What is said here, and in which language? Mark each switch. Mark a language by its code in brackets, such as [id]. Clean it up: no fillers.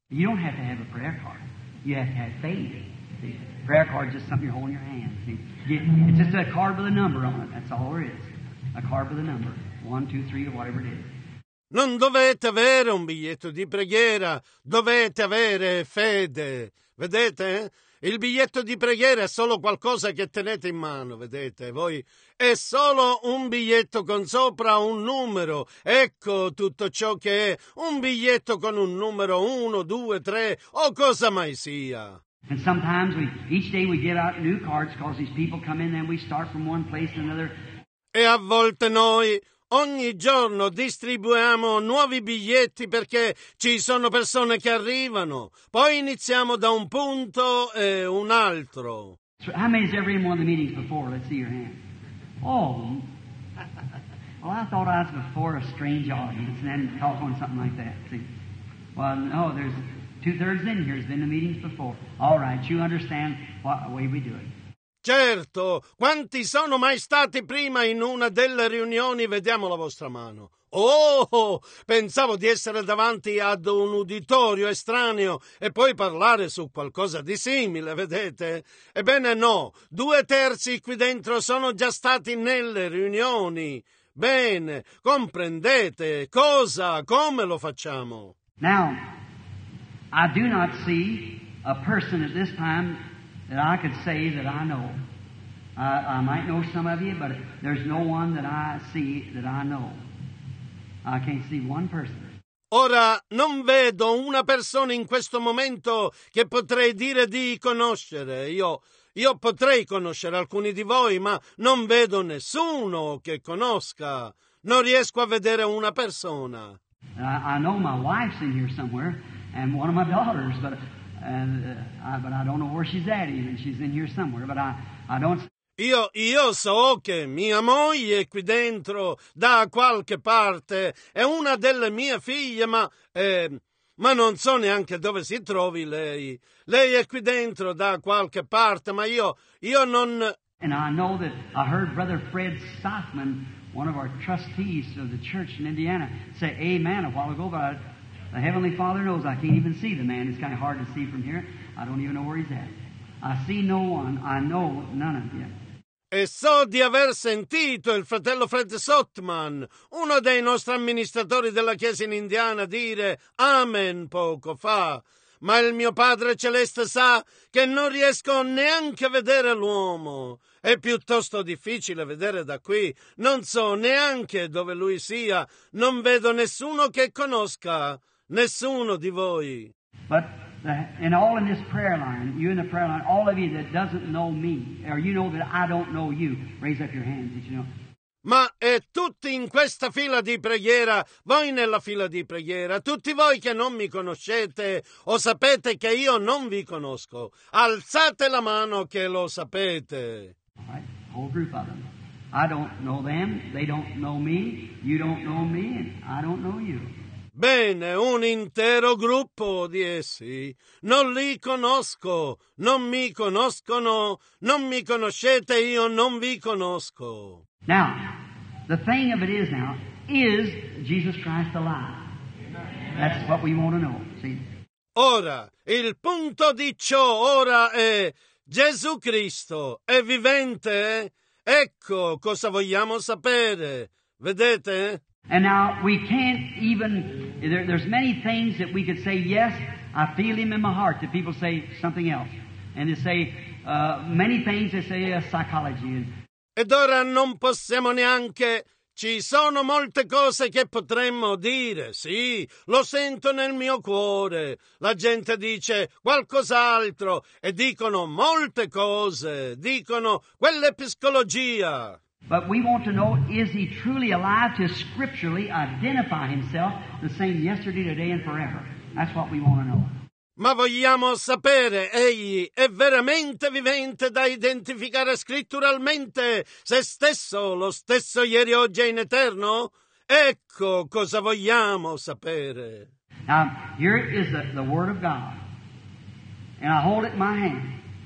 [en] You don't have to have a prayer card. You have to have faith. See, prayer card is just something you hold in your hand. See, it's just a card with a number on it. That's all there is. A card with a number. 1, 2, 3, or whatever it is. [it] Non dovete avere un biglietto di preghiera, dovete avere fede. Vedete? Il biglietto di preghiera è solo qualcosa che tenete in mano, vedete? Voi è solo un biglietto con sopra un numero. Ecco tutto ciò che è un biglietto con un numero 1, 2, 3 o cosa mai sia. [en] And sometimes we each day we get out new cards because these people come in and we start from one place to another. [it] E a volte noi ogni giorno distribuiamo nuovi biglietti perché ci sono persone che arrivano. Poi iniziamo da un punto e un altro. [en] So, how many has ever been in one of the meetings before? Let's see your hand. Oh, well, I thought I was before a strange audience and then talk on something like that. See, well, no, there's 2/3 in here has been in meetings before. All right, you understand what way we do it. [it] Certo, quanti sono mai stati prima in una delle riunioni? Vediamo la vostra mano. Oh, pensavo di essere davanti ad un uditorio estraneo e poi parlare su qualcosa di simile, vedete? Ebbene no, 2/3 qui dentro sono già stati nelle riunioni. Bene, comprendete cosa, come lo facciamo? [en] Now, I do not see a person at this time that I could say that I know. I might know some of you, but there's no one that I see that I know. I can't see one person. [it] Ora non vedo una persona in questo momento che potrei dire di conoscere. Io potrei conoscere alcuni di voi, ma non vedo nessuno che conosca. Non riesco a vedere una persona. [en] I know my wife's in here somewhere, and one of my daughters, but. But I don't know where she's at even. She's in here somewhere, but I don't. [it] Io so che mia moglie è qui dentro da qualche parte. È una delle mie figlie, ma non so neanche dove si trovi lei. Lei è qui dentro da qualche parte, ma io non. [en] And I know that I heard Brother Fred Stockman, one of our trustees of the church in Indiana, say amen a while ago, but. The Heavenly Father knows I can't even see the man. It's kind of hard to see from here. I don't even know where he's at. I see no one. I know none of you. [it] E so di aver sentito il fratello Fred Sottman, uno dei nostri amministratori della Chiesa in Indiana, dire Amen poco fa. Ma il mio Padre Celeste sa che non riesco neanche a vedere l'uomo. È piuttosto difficile vedere da qui. Non so neanche dove lui sia. Non vedo nessuno che conosca. Nessuno di voi. [en] But in all in this prayer line, you in the prayer line, all of you that doesn't know me, or you know that I don't know you, raise up your hands, did you know? [it] Ma e tutti in questa fila di preghiera, voi nella fila di preghiera, tutti voi che non mi conoscete o sapete che io non vi conosco, alzate la mano che lo sapete. [en] All right, whole group of them. I don't know them, they don't know me, you don't know me, and I don't know you. [it] Bene, un intero gruppo di essi. Non li conosco, non mi conoscono, non mi conoscete, io non vi conosco. [en] Now, the thing of it is now, is Jesus Christ alive? That's what we want to know, see? [it] Ora, il punto di ciò ora è Gesù Cristo è vivente? Ecco cosa vogliamo sapere, vedete? [en] And now we can't even, there's many things that we could say, yes, I feel him in my heart, that people say something else. And they say, many things they say, yes, psychology. [it] Ed ora non possiamo neanche, ci sono molte cose che potremmo dire, sì, lo sento nel mio cuore. La gente dice qualcos'altro e dicono molte cose, dicono quella psicologia. [en] But we want to know, is he truly alive to scripturally identify himself the same yesterday, today, and forever? That's what we want to know. [it] Ma vogliamo sapere, egli è veramente vivente da identificare scritturalmente se stesso, lo stesso ieri, oggi e in eterno? Ecco cosa vogliamo sapere. [en] Now, here is the Word of God, and I hold it in my hand.